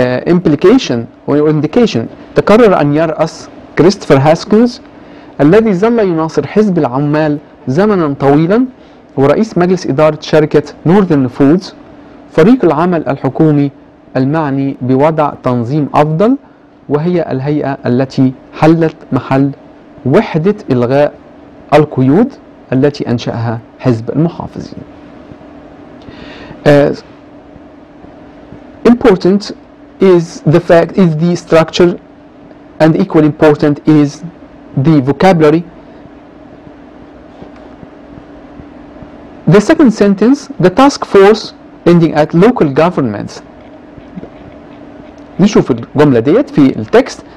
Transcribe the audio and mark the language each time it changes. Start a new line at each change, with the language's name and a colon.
English: implication or indication
Arabic: تكرر أن يرأس كريستوفر هاسكنز الذي ظل يناصر حزب العمال زمنا طويلا ورئيس مجلس إدارة شركة Northern Foods فريق العمل الحكومي المعني بوضع تنظيم أفضل وهي الهيئة التي حلت محل وحدة إلغاء القيود التي أنشأها حزب المحافظين.
English: Important is the fact is the structure and equally important is the vocabulary. The second sentence, the task force ending at local governments.
Arabic: نشوف الجملة ديت في التكست.